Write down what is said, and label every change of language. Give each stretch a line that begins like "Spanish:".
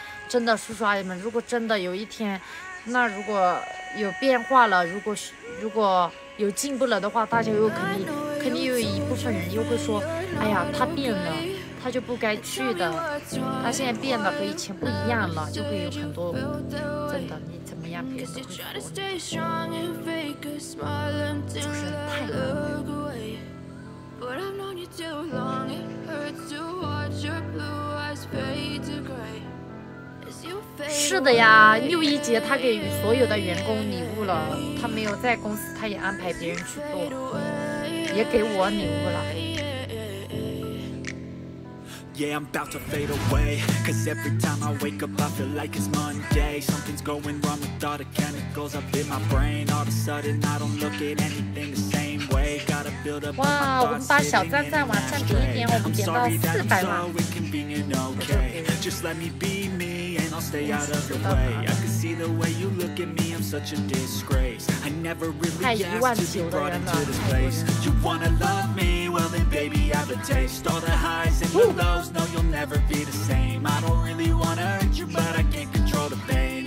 Chinese: 真的，叔叔阿姨们，如果真的有一天，那如果有变化了，如果有进步了的话，大家又肯定有一部分人又会说，哎呀，他变了，他就不该去的，他现在变了，和以前不一样了，就会有很多，真的，你怎么样，别人都会说你，就是太难了。
English: But I've known you too long. It hurts to watch your blue eyes fade to gray.
Chinese: 是的呀，六一节他给所有的员工礼物了，他没有在公司，他也安排别人去做，也给我礼物了。
English: Yeah, I'm about to fade away. Cause every time I wake up, I feel like it's Monday. Something's going wrong with all the chemicals up in my brain. All of a sudden, I don't look at anything the same way. Gotta build up.
Chinese: 哇，我们把小赞赞往上提一点，我们点到400了。
English: Sorry, that's so inconvenient. Okay, just let me be me. I'll stay out of your way. I can see the way you look at me. I'm such a disgrace. I never really asked to be brought into this place. You wanna love me? Well then, baby, have a taste. All the highs and the lows. No, you'll never be the same. I don't really wanna hurt you, but I can't control the pain.